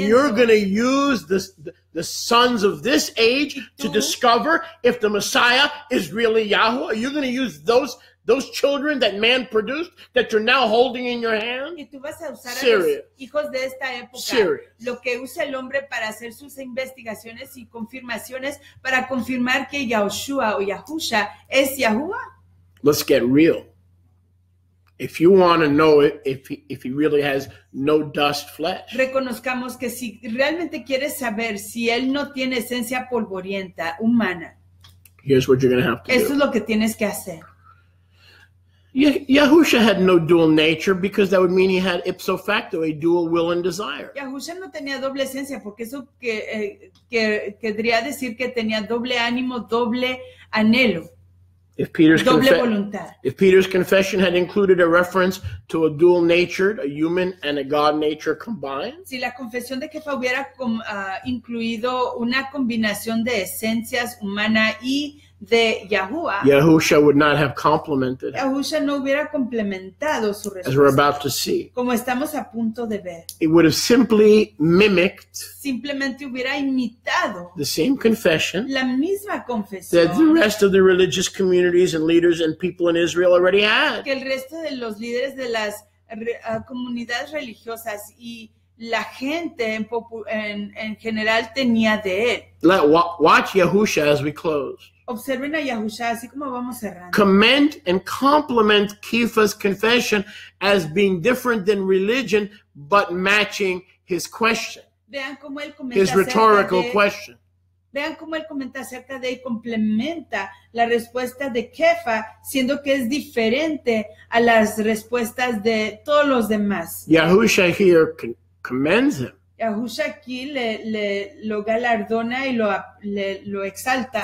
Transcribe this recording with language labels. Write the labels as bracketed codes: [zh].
[en] And you're going to use the sons of this age to discover if the Messiah is really Yahweh. Are you going to use those children that man produced that you're now holding in your hand? [es] Y tú vas a usar [en] serious. [es] A los hijos de esta época. [en] Serious. [es] Lo que usa el hombre para hacer sus investigaciones y confirmaciones para confirmar que Yahushua o Yahusha es Yahweh. [en] Let's get real. If you want to know it, if he really has no dust flesh. [es] Reconozcamos que si realmente quieres saber si él no tiene esencia polvorienta humana. [en] Here's what you're going to have to [es] esto [en] do. [es] Es lo que tienes que hacer. [en] Yahusha had no dual nature because that would mean he had ipso facto a dual will and desire. [es] Yahusha no tenía doble esencia porque eso querría decir que tenía doble ánimo, doble anhelo. [en] If Peter's confession had included a reference to a dual nature, a human and a God nature combined, [es] si la confesión de Kefa hubiera incluido una combinación de esencias humana y de Yahuwah, [en] Yahusha would not have complemented. [es] Yahusha no hubiera complementado su respuesta, [en] as we're about to see. [es] Como estamos a punto de ver. [en] It would have simply mimicked. [es] Simplemente hubiera imitado. [en] The same confession. [es] La misma confesión. [en] That the rest of the religious communities and leaders and people in Israel already had. [es] Que el resto de los líderes de las comunidades religiosas y la gente en general tenía de él. [en] Watch Yahusha as we close. [es] Observen a Yahusha, así como vamos cerrando. [en] Comment and compliment Kefa's confession as being different than religion, but matching his question. [es] Vean cómo él comenta [en] his rhetorical question. [es] Vean cómo él comenta acerca de y complementa la respuesta de Kefa, siendo que es diferente a las respuestas de todos los demás. [en] Yahusha here commends him. [es] Yahusha aquí le lo galardona y lo exalta.